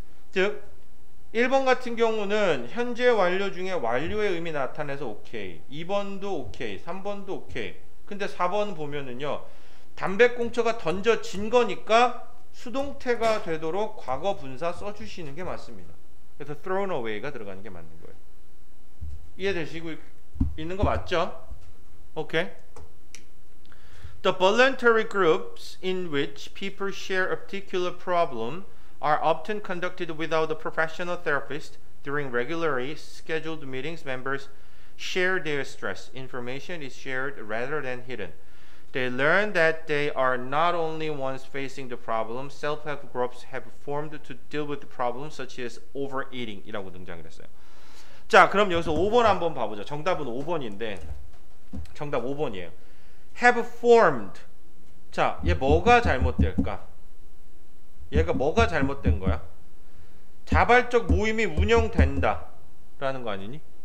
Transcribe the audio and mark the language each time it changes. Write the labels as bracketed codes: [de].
[ko] 즉 1번 같은 경우는 현재 완료 중에 완료의 의미 나타내서 오케이. 2번도 오케이. 3번도 오케이. 근데 4번 보면은요. 담배꽁초가 던져진 거니까 수동태가 되도록 과거 분사 써주시는 게 맞습니다. 그래서 [en] thrown away [ko] 가 들어가는 게 맞는 거예요. 이해되시고 있는 거 맞죠? 오케이. [en] The voluntary groups in which people share a particular problem are often conducted without a professional therapist. During regularly scheduled meetings, members share their stress. Information is shared rather than hidden. They learn that they are not only ones facing the problem. Self-help groups have formed to deal with the problem, such as overeating. [ko] 이라고 등장을 했어요. 자, 그럼 여기서 5번 한번 봐보죠. 정답은 5번인데, 정답 5번이에요. [en] Have formed. [ko] 자, 얘 뭐가 잘못될까? 얘가 뭐가 잘못된 거야? 자발적 모임이 운영된다. 라는 거 아니니?